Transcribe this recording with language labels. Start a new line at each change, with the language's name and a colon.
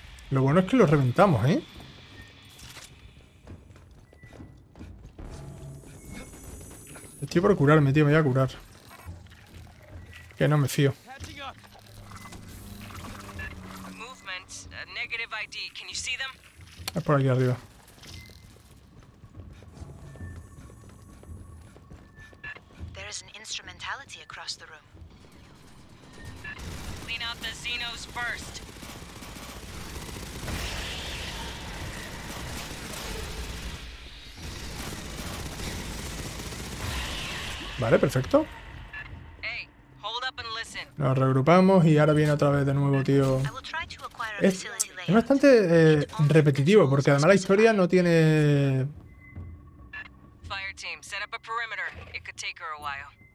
Spanish: Lo bueno es que lo reventamos, ¿eh? Estoy por curarme, tío. Me voy a curar. Que no me fío.
English: Movement, negative ID. Can you see them?
Spanish: Es por aquí arriba.
English: There is an instrumentality across the room. Clean out the Xenos first.
Spanish: Vale, perfecto.
English: Hey, hold up and listen.
Spanish: Nos reagrupamos y ahora viene otra vez de nuevo, tío. Es bastante repetitivo, porque además la historia no tiene...
English: Fire team, set up a perimeter. It could take her a while.